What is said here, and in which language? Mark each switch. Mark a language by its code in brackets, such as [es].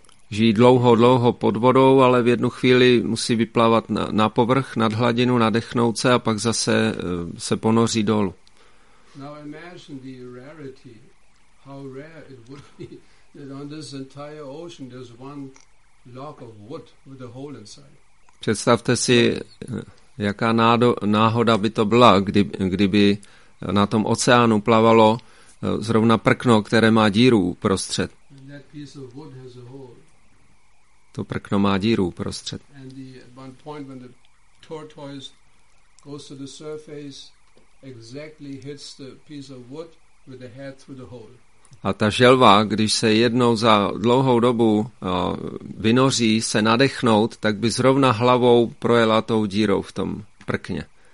[cs] Žijí dlouho, dlouho pod vodou, ale v jednu chvíli musí vyplavat na povrch, nad hladinu, nadechnout se a pak zase se ponoří dolů. [en] Now imagine the rarity, how rare it would be that on this entire ocean there's one log of wood with a hole inside. [cs] Představte si, jaká náhoda by to byla, kdyby na tom oceánu plavalo zrovna prkno, které má díru uprostřed. [en] And that piece of wood has a hole. [cs] To prkno má díru uprostřed. [en] And at one point when the tortoise goes to the surface, exactly hits the piece of wood with the head through the hole. [cs] A ta želva, když se jednou za dlouhou dobu vynoří se nadechnout, tak by zrovna hlavou projela tou dírou v tom prkně.